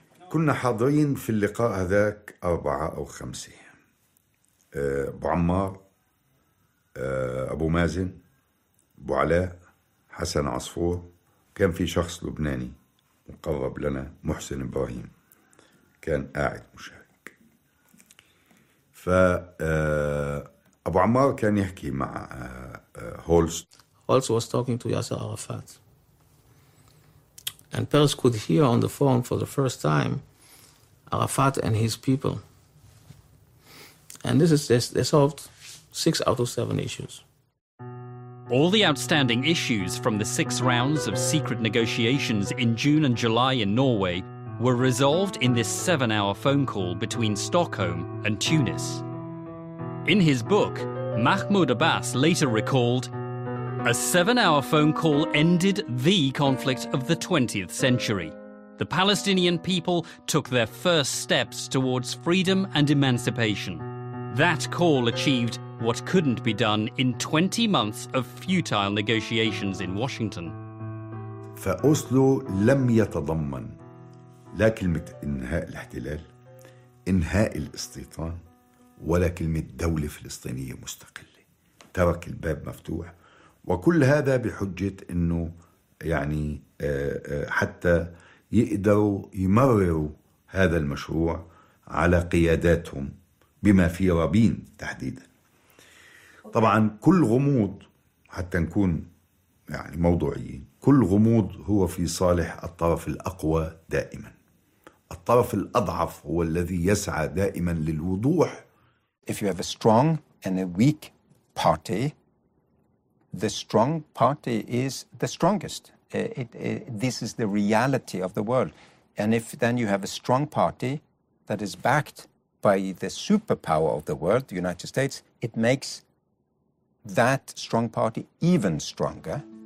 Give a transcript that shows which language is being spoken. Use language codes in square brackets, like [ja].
[ar] كنا حاضرين في اللقاء هذاك 4 أو 5، أبو عمار، أبو مازن، أبو علاء، حسن عصفور، كان في شخص لبناني مقرب لنا محسن إبراهيم كان قاعد مشارك. فأبو عمار كان يحكي مع هولست. [en] Also was talking to Yasser Arafat. And Peres could hear on the phone for the first time Arafat and his people. And this is this, they solved 6 out of 7 issues. All the outstanding issues from the 6 rounds of secret negotiations in June and July in Norway were resolved in this 7-hour phone call between Stockholm and Tunis. In his book, Mahmoud Abbas later recalled, "A 7-hour phone call ended the conflict of the 20th century. The Palestinian people took their first steps towards freedom and emancipation. That call achieved what couldn't be done in 20 months of futile negotiations in Washington." [ar] فأوسلو لم يتضمن لا كلمة إنهاء الاحتلال، إنهاء الاستيطان، ولا كلمة دولة فلسطينية مستقلة. ترك الباب مفتوح. وكل هذا بحجة أنه يعني حتى يقدروا يمرروا هذا المشروع على قياداتهم بما في رابين تحديدا. طبعا كل غموض، حتى نكون يعني موضوعيين، كل غموض هو في صالح الطرف الأقوى دائما. الطرف الأضعف هو الذي يسعى دائما للوضوح. [en] If you have a strong and a weak party, the strong party is the strongest. This is the reality of the world. And if then you have a strong party that is backed by the superpower of the world, the United States, it makes that strong party even stronger.